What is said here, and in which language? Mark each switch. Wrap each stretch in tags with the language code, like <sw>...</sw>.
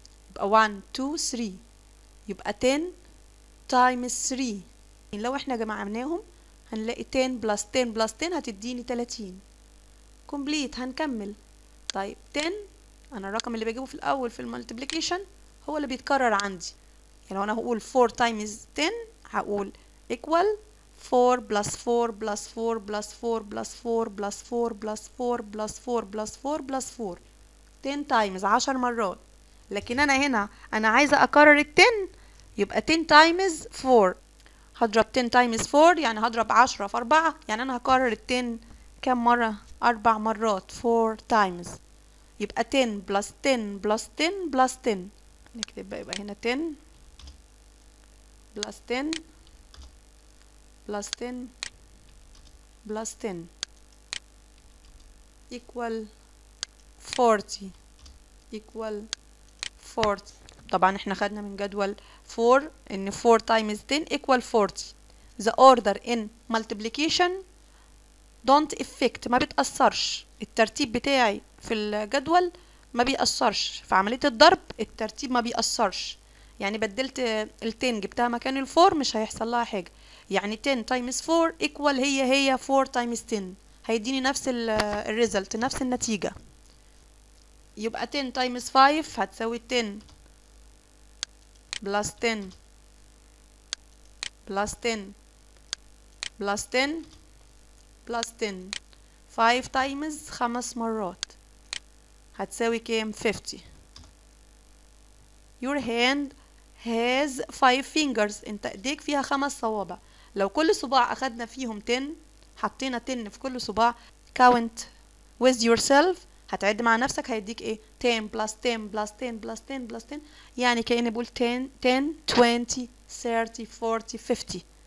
<ar>يبقى 1 2 3. يبقى 10 times 3 يعني لو احنا جمعناهم هنلاقي 10 plus 10 plus 10 هتديني 30.</ar> <en>complete.</en> <ar>هنكمل. طيب 10 انا الرقم اللي بجيبه في الاول في المالتبليكيشن هو اللي بيتكرر عندي. لو انا هقول</ar> <en>4 times 10 هقول equal 4 plus 4 plus 4 plus 4 plus 4 plus 4 plus 4 plus 4 plus 4 plus 4 10 times 10 مرات.</en> <ar>لكن انا هنا انا عايزة اكرر 10، يبقى 10 times 4 هضرب 10 times 4 يعني هضرب 10 في 4. يعني انا هكرر 10 كم مرة؟ 4 مرات.</ar> <en>4 times. يبقى 10 plus 10 plus 10 plus 10</en> <ar>نكتب بقى. يبقى هنا</ar> <en>10 plus 10 plus 10 plus 10 equal 40 equal 40.</en> <ar>طبعا احنا خدنا من جدول 4 ان 4 times 10 equal 40.</ar> <en>the order in multiplication don't affect،</en> <ar>ما بتأثرش. الترتيب بتاعي في الجدول ما بيأثرش في عملية الضرب. الترتيب ما بيأثرش. يعني بدلت ال 10 جبتها مكان ال 4 مش هيحصل لها حاجة. يعني 10 times 4 equal هي 4 times 10 هيديني نفس ال result، نفس النتيجة.</ar> <en>يبقى 10 times 5 هتساوي 10 plus 10 plus 10 plus 10 plus 10 5 times 5 مرات</en> <ar>هتساوي كام؟</ar> <en>50. your hand has five fingers.</en> <ar>انت ايديك فيها خمس صوابع. لو كل صباع اخدنا فيهم 10، حطينا 10 في كل صباع،</ar> <en>count with yourself،</en> <ar>هتعد مع نفسك، هيديك ايه؟</ar> <en>10 plus 10 plus 10</en> <ar>plus 10 plus 10، يعني كأني بقول 10 20 30 40 50.</ar>